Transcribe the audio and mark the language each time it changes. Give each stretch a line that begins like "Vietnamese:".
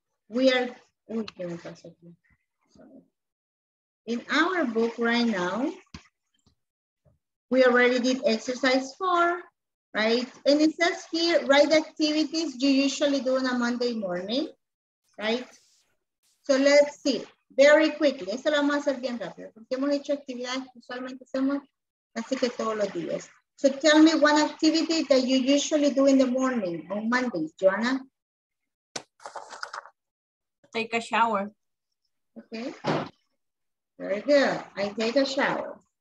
English: In our book right now, we already did exercise 4, right? And it says here, write activities you usually do on a Monday morning, right? So let's see, very quickly.
Spanish: Eso lo vamos a hacer bien rápido, porque hemos hecho actividades que usualmente hacemos casi que todos los días.
English: So tell me one activity that you usually do in the morning on Mondays, Joanna. Take a shower. Okay, very good. I take a shower.